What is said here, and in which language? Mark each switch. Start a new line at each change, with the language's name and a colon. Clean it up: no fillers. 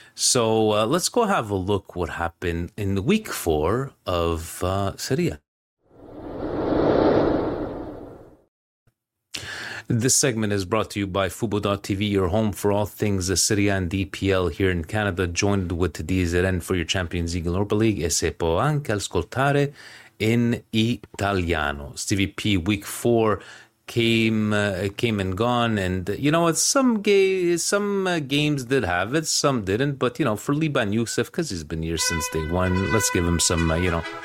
English: So let's go have a look what happened in week 4 of Serie A. This segment is brought to you by Fubo.tv, your home for all things the Serie A and DPL here in Canada. Joined with DZN for your Champions League and Europa League.
Italian: E se può anche ascoltare in italiano.
English: Stevie P, week 4 came and gone. And, you know, some games did have it, some didn't. But, you know, for Liban Youssef, because he's been here since day one, let's give him some, you know...